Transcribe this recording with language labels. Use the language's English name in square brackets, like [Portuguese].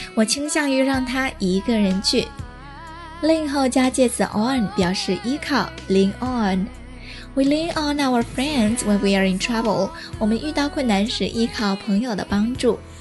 [Chinese] 我倾向于让他一个人去。 lean 后加介词 on 表示依靠 ，lean on. [English] We lean on our friends when we are in trouble. [Chinese] 我们遇到困难时依靠朋友的帮助。